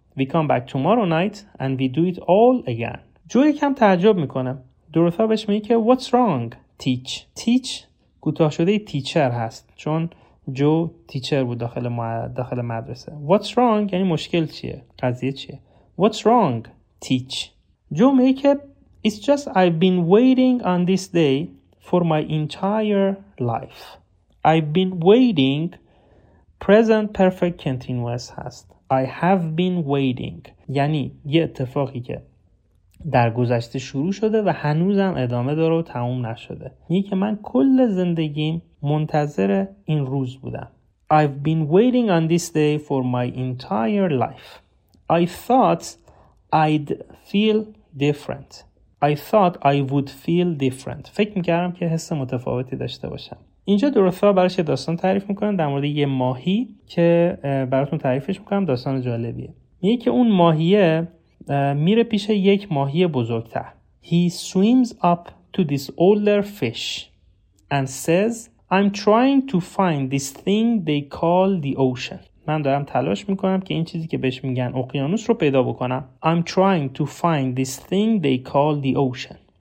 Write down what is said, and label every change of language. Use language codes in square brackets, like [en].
[en] We come back tomorrow night and we do it all again. [fa] جو یکم تعجب میکنه. دورثا بهش میگه که [en] What's wrong, teach? [fa] Teach کوتاه شده تیچر هست، چون جو تیچر بود داخل مدرسه. [en] What's wrong [fa] یعنی مشکل چیه؟ قضیه چیه؟ [en] What's wrong, teach? [fa] جو میگه که [en] It's just I've been waiting on this day for my entire life. I've been waiting present perfect continuous هست. I have been waiting [fa] یعنی یه اتفاقی که در گذشته شروع شده و هنوزم ادامه داره و تموم نشده. میگه که من کل زندگیم منتظر این روز بودم. [en] I've been waiting on this day for my entire life. I thought I'd feel different. I thought I would feel different. [fa] فکر میکردم که حس متفاوتی داشته باشم. اینجا دورثا براش یه داستان تعریف میکنم در مورد یه ماهی که براتون تعریفش میکنم، داستان جالبیه. میگه که اون ماهیه میره پیش یک ماهی بزرگتر. [en] He swims up to this older fish and says I'm trying to find this thing they call the ocean. [fa] من دارم تلاش میکنم که این چیزی که بهش میگن اقیانوس رو پیدا بکنم. [en] I'm trying to find this thing they call the ocean.